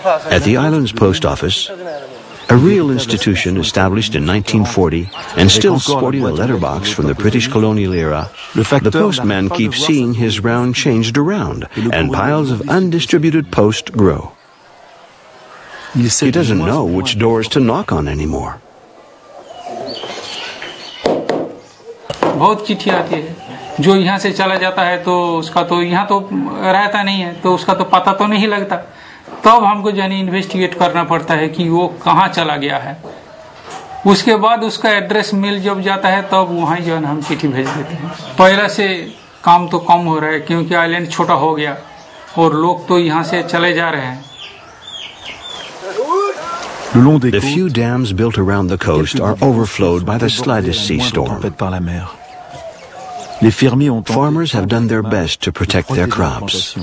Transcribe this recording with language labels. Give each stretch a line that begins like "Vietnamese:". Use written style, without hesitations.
English: At the island's post office, a real institution established in 1940 and still sporting a letterbox from the British colonial era, the postman keeps seeing his round changed around and piles of undistributed post grow. He doesn't know which doors to knock on anymore.
Hindi: बहुत चिट्ठी आती है जो यहां से चला जाता है तो उसका तो यहां तो रहता नहीं है तो उसका तो पता तो नहीं लगता तब हमको यानी इन्वेस्टिगेट करना पड़ता है कि वो कहां चला गया है उसके बाद उसका एड्रेस मिल जब जाता है तब वहां जो हम चिट्ठी भेज देते हैं पहले से काम तो कम हो रहा है क्योंकि आइलैंड छोटा हो गया और लोग तो यहां से चले जा रहे हैं
English: The few dams built around the coast are overflowed by the slightest sea storm. Farmers have done their best to protect their crops.